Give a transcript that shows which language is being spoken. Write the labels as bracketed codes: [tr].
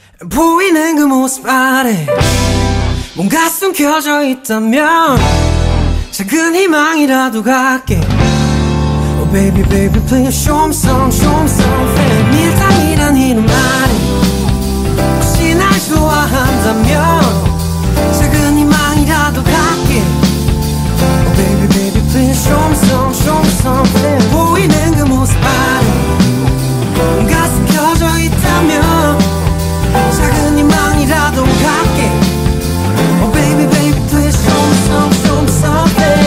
[ko] 보이는 그 모습 아래 뭔가 숨겨져 있다면 작은 희망이라도 갈게. [en] Oh baby baby please show me some, show me something. [ko] 밀당이란 이름 아래 혹시 날 좋아한다면 작은 희망이라도 갈게. [en] Oh baby baby please show me some, show me something. [ko] 보이는 그 모습 아래 뭔가 숨겨져 있다면 작은 희망이라도 갈게. [en] Oh baby baby please show me some, show me something.